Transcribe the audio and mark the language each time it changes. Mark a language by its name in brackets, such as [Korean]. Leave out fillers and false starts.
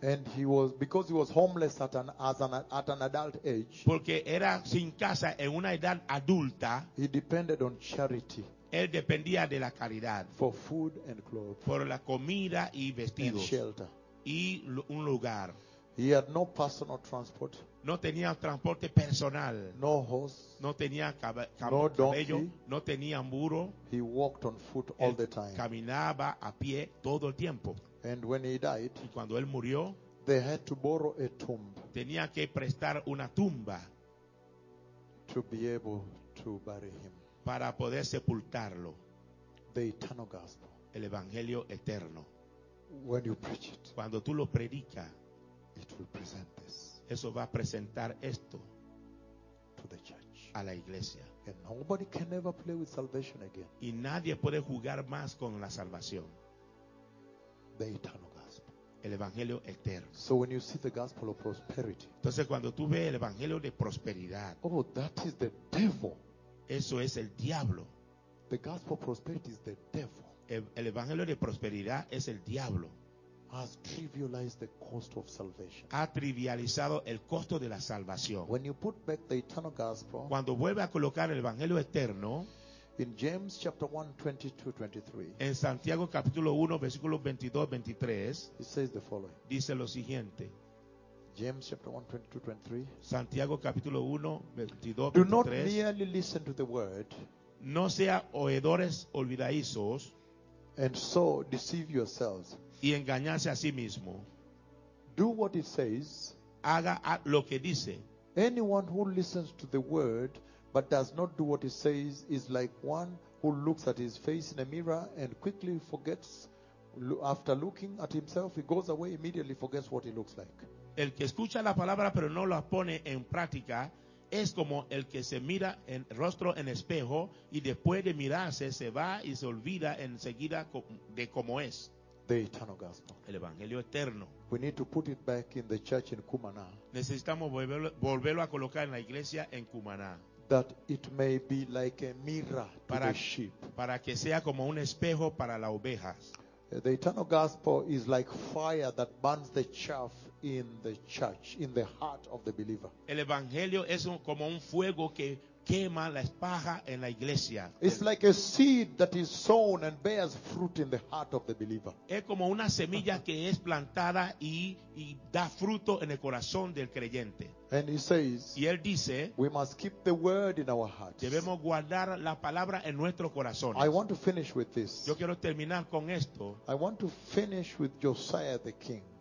[English] And because he was homeless at an adult age. [Spanish] Porque era sin casa en una edad adulta. [English] He depended on charity. [Spanish] Él dependía de la caridad. [English] For food and clothes. [Spanish] Por la comida y vestidos. [English] And shelter. [Spanish] Y un lugar. [English] He had no personal transport. [Spanish] No tenía transporte personal. [English] No horse. [Spanish] No tenía caballo. No tenía muro. [English] He walked on foot all the time. [Spanish] Caminaba a pie todo el tiempo. [English] And when he died, [Spanish] y cuando él murió, [English] they had to borrow a tomb. [Spanish] Tenía que prestar una tumba. [English] To be able to bury him. [Spanish] Para poder sepultarlo. [English] The eternal gospel. [Spanish] El evangelio eterno. [English] When you preach it. [Spanish] Cuando tú lo predicas. [English] It will present this. [Spanish] Eso va a presentar esto [English] to the church. [Spanish] A la iglesia. [English] And nobody can ever play with salvation again. [Spanish] Y nadie puede jugar más con la salvación. [English] The eternal gospel. [Spanish] El evangelio eterno. [English] So when you see the gospel of prosperity. [Spanish] Entonces cuando tú ves el evangelio de prosperidad. [English] Oh, that is the devil. [Spanish] Eso es el diablo. [English] The gospel of prosperity is the devil. [Spanish] El evangelio de prosperidad es el diablo. [English] Has trivialized the cost of salvation. [Spanish] Ha trivializado el costo de la salvación. [English] When you put back the eternal gospel, [Spanish] cuando vuelve a colocar el evangelio eterno, [English] In James chapter 1, 22-23. [Spanish] En Santiago capítulo 1, versículo 22-23. [English] It says the following. [Spanish] Dice lo siguiente. [English] James chapter 1, 22-23. [Spanish] Santiago capítulo 1, 22-23. [English] Do not merely listen to the word. [Spanish] No sea oedores olvidadizos. [English] And so deceive yourselves. [Spanish] Y engañarse a sí mismo. [English] Do what it says. [Spanish] Haga lo que dice. [English] Anyone who listens to the word but does not do what it says is like one who looks at his face in a mirror and quickly forgets. After looking at himself, he goes away immediately, forgets what he looks like. [Spanish] El que escucha la palabra pero no la pone en práctica es como el que se mira en rostro en espejo y después de mirarse se va y se olvida enseguida de cómo es. [English] The eternal gospel. [Spanish] El evangelio eterno. [English] We need to put it back in the church in Cumaná. [Spanish] Necesitamos volverlo a colocar en la iglesia en Cumaná. [English] That it may be like a mirror [Spanish] para, [English] to the sheep. [Spanish] Para que sea como un espejo para las ovejas. [English] The eternal gospel is like fire that burns the chaff in the church, in the heart of the believer. [Spanish] El evangelio es como un fuego que quema la paja en la iglesia. [English] It's like a seed that is sown and bears fruit in the heart of the believer. [Spanish] Es como una semilla que es plantada y da fruto en el corazón del creyente. [English] And he says, [Spanish] y él dice, [English] we must keep the word in our hearts. [Spanish] Debemos guardar la palabra en nuestro corazón. [English] I want to finish with this. [Spanish] Yo quiero terminar con esto. [English] I want to finish with Josiah the king.